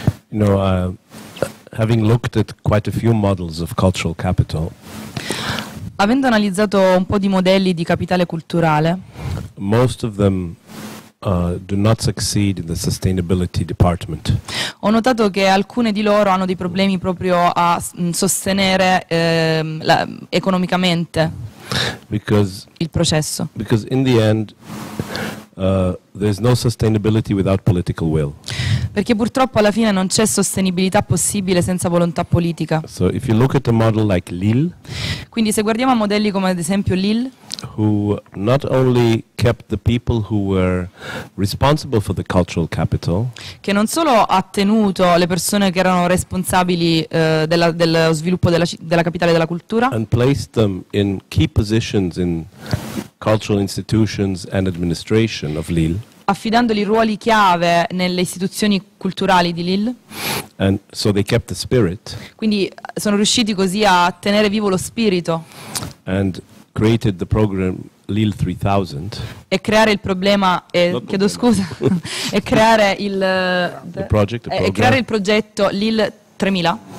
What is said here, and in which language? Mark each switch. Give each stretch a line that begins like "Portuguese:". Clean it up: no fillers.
English: You know, having looked at quite a few models of cultural capital,
Italian: avendo analizzato un po' di modelli di capitale culturale,
English: most of them do not succeed in the sustainability department.
Italian: Ho notato che alcune di loro hanno dei problemi proprio a sostenere economicamente il processo.
English: Because in the end there's no sustainability without political will.
Italian: Perché purtroppo alla fine non c'è sostenibilità possibile senza volontà politica.
English: So if you look at a model like Lille,
Italian: quindi se guardiamo a modelli come ad esempio Lille,
English: who not only kept the people who were responsible for the cultural capital,
Italian: che non solo ha tenuto le persone che erano responsabili dello sviluppo della capitale della cultura,
English: and placed them in key positions in cultural institutions and administration of Lille,
Italian: affidandoli ruoli chiave nelle istituzioni culturali di Lille.
English: And so they kept the spirit.
Italian: Quindi sono riusciti così a tenere vivo lo spirito.
English: And created the program Lille 3000.
Italian: E creare il problema, chiedo scusa, e creare il progetto Lille 3000.